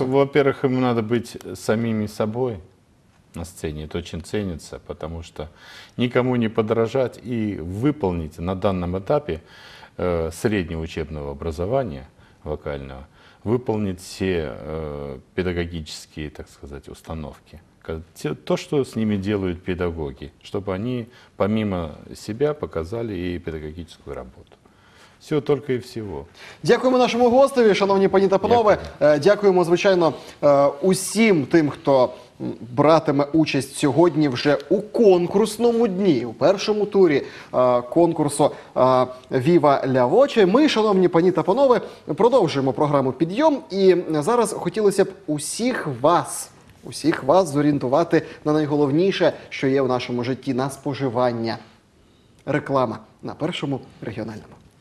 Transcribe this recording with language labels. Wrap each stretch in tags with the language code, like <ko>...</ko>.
<ru>Во-первых, им надо быть самими собой. На сцене это очень ценится, потому что никому не подражать и выполнить на данном этапе среднего учебного образования вокального, выполнить все педагогические, так сказать, установки. То, что с ними делают педагоги, чтобы они помимо себя показали и педагогическую работу. Все, только</ru> <uk>і всього. Дякуємо нашому гостеві, шановні пані та панове. Дякуємо, звичайно, усім тим, хто братиме участь сьогодні вже у конкурсному дні, у першому турі конкурсу «Viva la Voce». Ми, шановні пані та панове, продовжуємо програму «Підйом». І зараз хотілося б усіх вас зорієнтувати на найголовніше, що є в нашому житті, на споживання. Реклама на першому регіональному.</uk>